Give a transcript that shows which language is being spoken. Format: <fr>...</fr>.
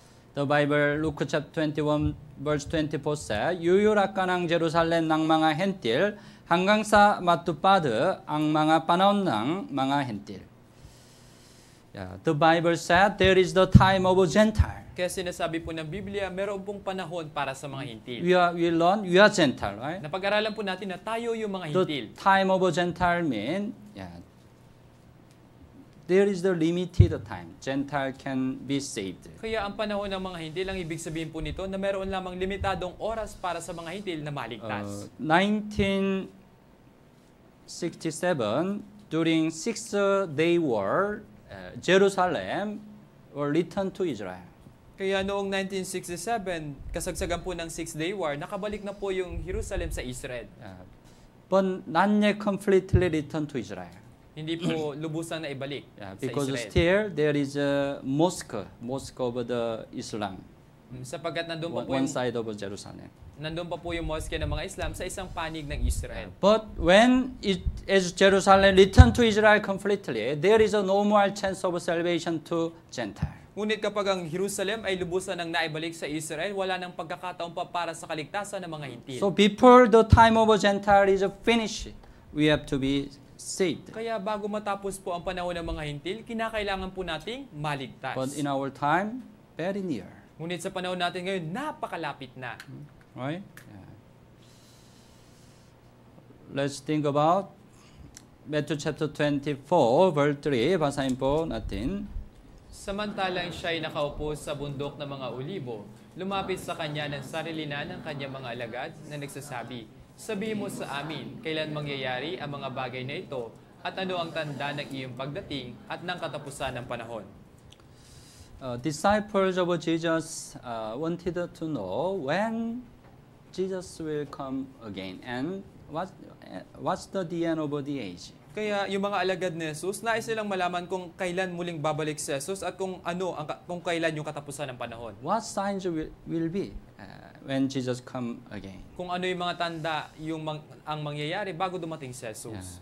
<en>The Bible, Luke chapter 21, verse 24 says,</en> <tl>Yuyurakan ang Jerusalem ng mga hentil, hanggang sa matupado ang mga panahon ng mga hentil.</tl> <en>Yeah, the Bible said, there is the time of a Gentile.</en> <tl>Kaya sinasabi po ng Biblia, meron pong panahon para sa mga hentil.</tl> <en>We are Gentile, right?</en> <tl>Napag-aralan po natin na tayo yung mga hentil.</tl> <en>The time of a Gentile means, there is the limited time Gentile can be saved.</en> <tl>Kaya ang panahon ng mga Hintil lang ibig sabihin po nito na meron lamang limitadong oras para sa mga Hintil na maligtas.</tl> <en>1967, during Sixth Day War, Jerusalem were returned to Israel.</en> <tl>Kaya noong 1967, kasagsagan po ng Sixth Day War, nakabalik na po yung Jerusalem sa Israel.</tl> <en>But not yet completely returned to Israel.</en> <tl>Hindi po lubusan na ibalik sa Israel.</tl> <en>Because still there is a mosque of the Islam.</en> <tl>Sapagkat nandun pa po</tl> <en>one side of Jerusalem.</en> <tl>Nandun pa po yung mosque ng mga Islam sa isang panig ng Israel.</tl> <en>But when Jerusalem returned to Israel completely, there is a normal chance of salvation to Gentile.</en> <tl>Ngunit kapag ang Jerusalem ay lubusan ng naibalik sa Israel, wala nang pagkakataon pa para sa kaligtasan ng mga Hintil.</tl> <en>So before the time of a Gentile is finished, we have to be saved.</en> <tl>Kaya bago matapos po ang panahon ng mga Hintil, kinakailangan po nating maligtas.</tl> <en>But in our time, very near.</en> <tl>Ngunit sa panahon natin ngayon, napakalapit na.</tl> <en>Right? Yeah. Let's think about Matthew chapter 24, verse 3.</en> <tl>Basahin po natin. Samantalang siya ay nakaupo sa bundok ng mga olibo, lumapit sa kanya ng sarilina ng kanyang mga alagad na nagsasabi, "Sabihin mo sa amin, kailan mangyayari ang mga bagay na ito at ano ang tanda ng iyong pagdating at ng katapusan ng panahon?"</tl> <en>Disciples of Jesus wanted to know when Jesus will come again and what's the end of the age.</en> <tl>Kaya yung mga alagad ni Jesus, nais nilang malaman kung kailan muling babalik si Jesus at kung ano ang kung kailan yung katapusan ng panahon.</tl> <en>What signs will be when Jesus come again?</en> <tl>Kung ano yung mga tanda yung ang mangyayari bago dumating si Jesus.</tl>